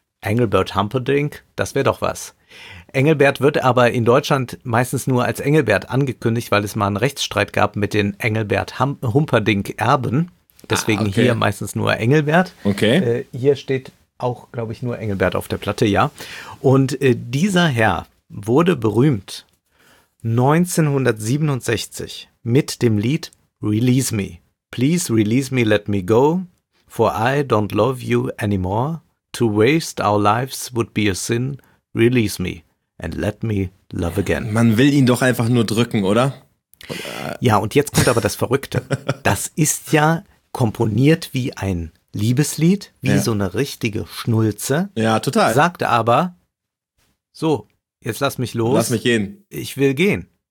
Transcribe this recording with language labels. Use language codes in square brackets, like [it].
[de] Engelbert Humperdinck, das wäre doch was. Engelbert wird aber in Deutschland meistens nur als Engelbert angekündigt, weil es mal einen Rechtsstreit gab mit den Engelbert Humperdinck-Erben. Deswegen okay. Hier meistens nur Engelbert. Okay. Hier steht auch, glaube ich, nur Engelbert auf der Platte, ja. Und dieser Herr wurde berühmt 1967 mit dem Lied Release Me. [en] Please release me, let me go, for I don't love you anymore. To waste our lives would be a sin. Release me and let me love again. [de] Man will ihn doch einfach nur drücken, oder? Ja, und jetzt kommt aber das Verrückte. Das ist ja komponiert wie ein Liebeslied, wie ja. So eine richtige Schnulze. Ja, total. Sagt aber, so, jetzt lass mich los. Lass mich gehen. Ich will gehen.